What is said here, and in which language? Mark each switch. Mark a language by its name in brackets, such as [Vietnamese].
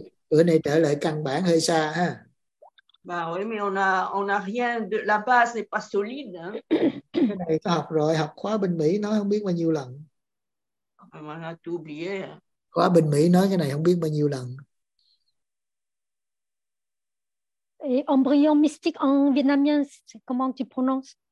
[Vietnamese] Bữa nay trở lại căn bản hơi xa ha. [French] Bah oui, mais on a rien de la base n'est pas solide. [Vietnamese] Cái này ta học rồi, học khóa bên Mỹ nói không biết bao nhiêu lần. [French] On a tout oublié. [Vietnamese] Khóa bên Mỹ nói cái này không biết bao nhiêu lần. [French] Et embryon mystique en vietnamien, comment tu prononces?